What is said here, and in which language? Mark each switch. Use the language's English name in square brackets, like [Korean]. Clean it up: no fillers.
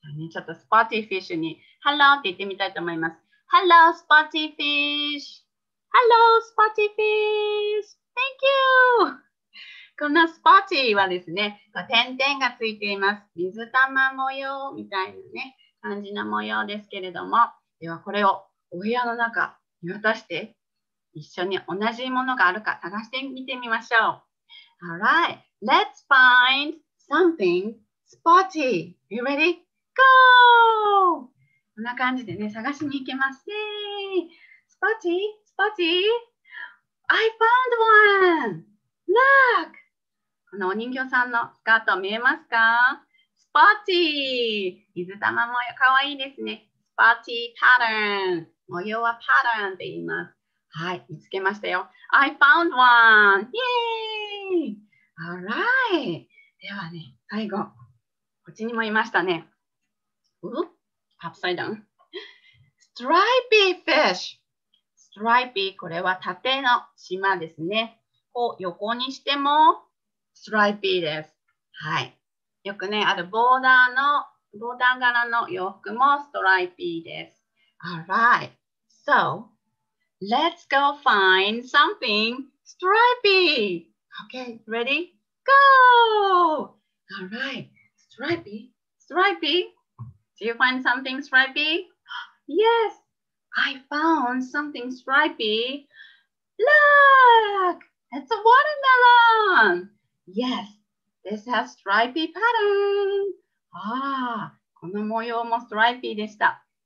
[Japanese] ちょっとスポーティーフィッシュにハローって言ってみたいと思います。 [English] ハロースポーティーフィッシュ。ハロースポーティーフィッシュ。Thank you! [Japanese] このスポッチはですね、点々がついています。水玉模様みたいなね、感じの模様ですけれども、ではこれをお部屋の中に渡して、一緒に同じものがあるか探してみてみましょう。 [English] Alright, let's find something spotty. You ready? Go! [Japanese] こんな感じでね、探しに行きます。 [English] Spotty, spotty, I found one! Look! [Japanese] このお人形さんのスカート見えますか？ [English] Spotty! [Japanese] 水玉模様、かわいいですね。 [English] Spotty pattern。 [Japanese] 模様はパターンって言います。はい、見つけましたよ。 [English] I found one! [Japanese] イエーイ Alright! ではね、最後、こっちにもいましたね。 [English] Upside down. Stripy fish! [Japanese] Stripy、これは縦の島ですね。こう横にしても、Stripy です。はい。よくね、あるボーダー柄の洋服も Stripy です。 [English] Alright! So,Let's go find something stripy. Okay, ready? Go! Alright, stripy, stripy. Do you find something stripy? Yes, I found something stripy. Look, it's a watermelon. Yes, this has stripy pattern. [Japanese] Ah, この模様も stripy でした。